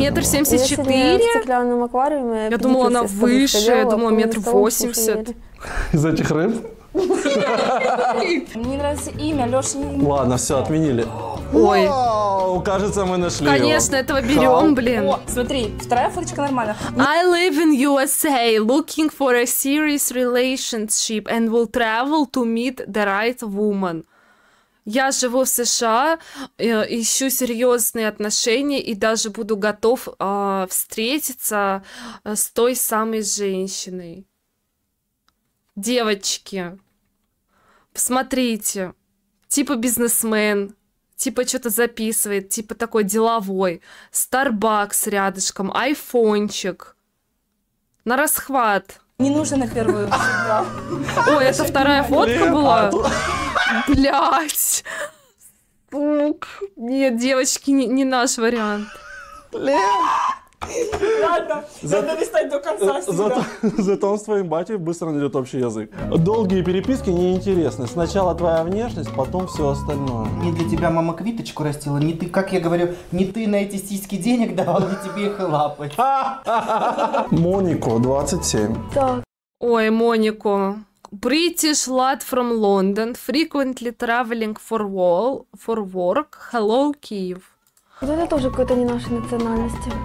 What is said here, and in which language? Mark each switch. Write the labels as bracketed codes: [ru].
[ru] Я сегодня в стеклянном аквариуме... Я думала, она выше, я думала, 1,80 м. Из этих рыб? Мне нравится имя, Леша не... Ладно, все, отменили. Ой. Вау, кажется, мы нашли его. Конечно, этого берем, блин. Смотри, вторая фоточка нормальная. [en] I live in USA, looking for a serious relationship and will travel to meet the right woman. [ru] Я живу в США, ищу серьезные отношения и даже буду готов встретиться с той самой женщиной. Девочки, посмотрите, типа бизнесмен, типа что-то записывает, типа такой деловой, Starbucks рядышком, айфончик, на расхват. Не нужно на первую. Ой, это вторая фотка была? Блять, стук. Нет, девочки, не наш вариант. Ладно, надо листать до конца всегда. Зато он с твоим батей быстро найдет общий язык. Долгие переписки неинтересны. Сначала твоя внешность, потом все остальное. Не для тебя мама квиточку растила, не ты, как я говорю, не ты на эти сиськи денег давал, не тебе их лапать. Монико, 27. Так. Ой, Монико. [en] British lad from London, frequently traveling for work. Hello, Kyiv. [ru] Вот это тоже какой-то не нашей национальности.